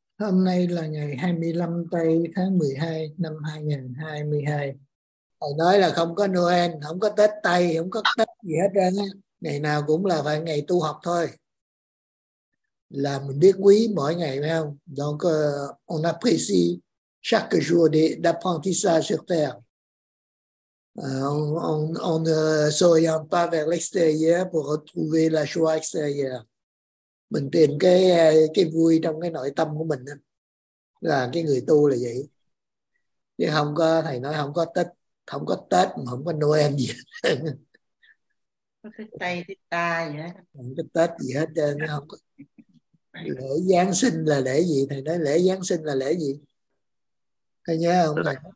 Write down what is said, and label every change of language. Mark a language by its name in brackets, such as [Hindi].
[Vietnamese] Hôm nay là ngày 25 tây tháng 12 năm 2022. Thầy nói là không có Noel, không có Tết Tây, không có Tết gì hết trơn á. Ngày nào cũng là phải ngày tu học thôi. Là mình biết quý mỗi ngày phải không? [French] Donc, on apprécie chaque jour d'apprentissage sur terre. On ne s'oriente pas vers l'extérieur pour retrouver la joie extérieure. [Vietnamese] Mình tìm cái vui trong cái nội tâm của mình đó. Là cái người tu là vậy chứ không có, thầy nói không có Tết, không có Tết mà không có Noel gì hết. Cái tay cái ta Có Tết gì hết trơn, không có. Lễ Giáng sinh là lễ gì, thầy nói lễ Giáng sinh là lễ gì, thầy nhớ không thầy?